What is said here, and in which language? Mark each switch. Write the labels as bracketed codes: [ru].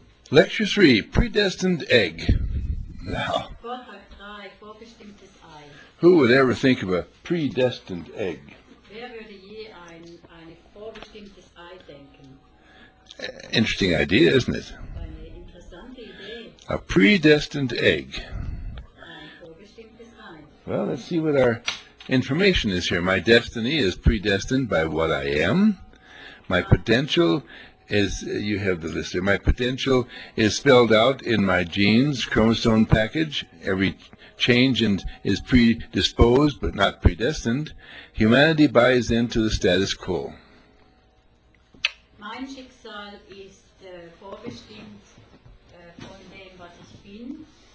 [en] Lecture 3, predestined egg. Now. [de] Vorhang 3, vorbestimmtes Ei. [en] Who would ever think of a predestined egg? [de] Wer würde je ein vorbestimmtes Ei denken? [en] Interesting idea, isn't it? [de] Eine interessante Idee. [en] A predestined egg. [de] Ein vorbestimmtes Ei. [en] Well, let's see what our information is here. My destiny is predestined by what I am. My potential is, you have the list here, my potential is spelled out in my genes, chromosome package. Every change is predisposed but not predestined. Humanity buys into the status quo. [de] Mein Schicksal ist vorbestimmt von dem, was ich bin.